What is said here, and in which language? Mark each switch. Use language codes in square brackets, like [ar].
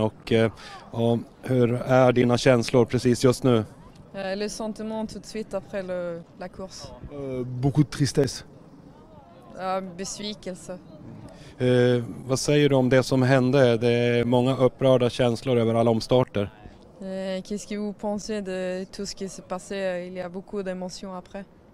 [sv] Och hur är dina känslor precis just nu? [fr] Les sentiments tout de suite après la course. Beaucoup de tristesse. [sv] Besvikelse. Vad säger du om det som hände? Det är många upprörda känslor över alla omstarter. [fr] Qu'est-ce que vous pensez de tout ce qui s'est passé? Il y a beaucoup d'émotions après.